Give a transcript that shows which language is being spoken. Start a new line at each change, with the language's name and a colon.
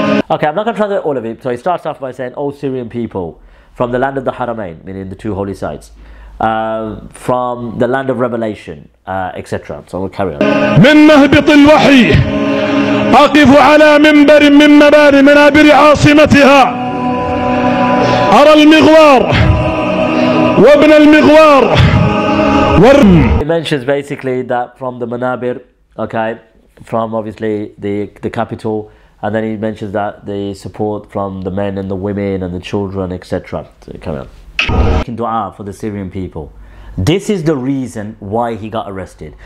English: Okay, I'm not going to translate all of it. So he starts off by saying, oh Syrian people, from the land of the Haramain, meaning the two holy sites, from the land of revelation, etc. So we'll carry on.
Arabic: من مهبط الوحي أقف على منبر من مباني منابر عاصمتها أرى المغوار وابن المغوار ورم.
English: He mentions basically that from the منابر, okay, from obviously the capital. And then he mentions that the support from the men and the women and the children, etc. Come on. Making dua for the Syrian people. This is the reason why he got arrested.